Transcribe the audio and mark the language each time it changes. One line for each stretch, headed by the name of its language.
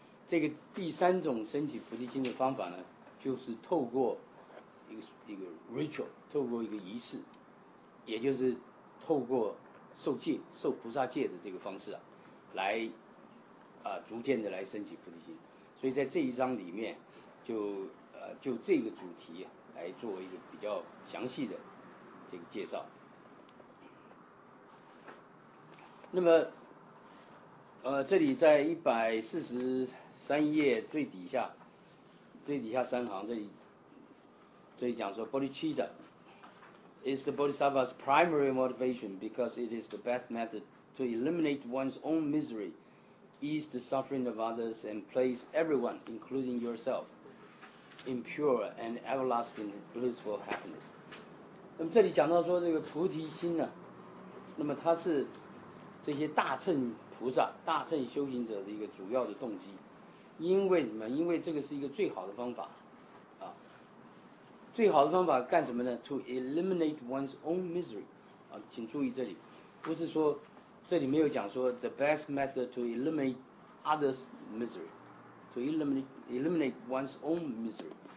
Chinese: 这个第三种升起菩提心的方法呢，就是透过一个 ritual， 透过一个仪式，也就是透过受戒、受菩萨戒的这个方式啊，来逐渐的来升起菩提心。所以在这一章里面就这个主题啊，来做一个比较详细的这个介绍。那么这里在143页最底下三行，这里讲说，
English: Bodhicitta is the Bodhisattva's primary motivation because it is the best method to eliminate one's own misery, ease the suffering of others, and place everyone, including yourself, in pure and everlasting blissful happiness。
Chinese: 那么这里讲到说，这个菩提心呢，那么它是这些大乘菩萨、大乘修行者的一个主要的动机。因为什么？因为这个是一个最好的方法啊，最好的方法干什么呢 ？
English: To eliminate one's own misery
Chinese: 啊，请注意这里，不是说这里没有讲说
English: the best method to eliminate others' misery， to eliminate one's own misery。